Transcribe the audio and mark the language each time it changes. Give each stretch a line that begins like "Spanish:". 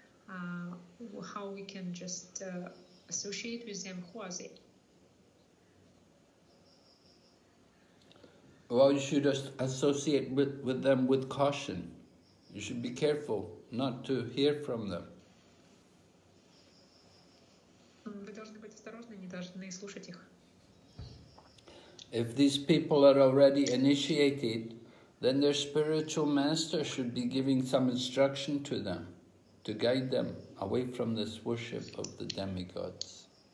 English: How we can just associate with them? Who are they? Well, you should just associate with them with caution. You should be careful not to hear from them.
Russian: Вы должны быть осторожны, не должны слушать их.
English: If these people are already initiated, then their spiritual master should be giving some instruction to them, to guide them away from this worship of the demigods.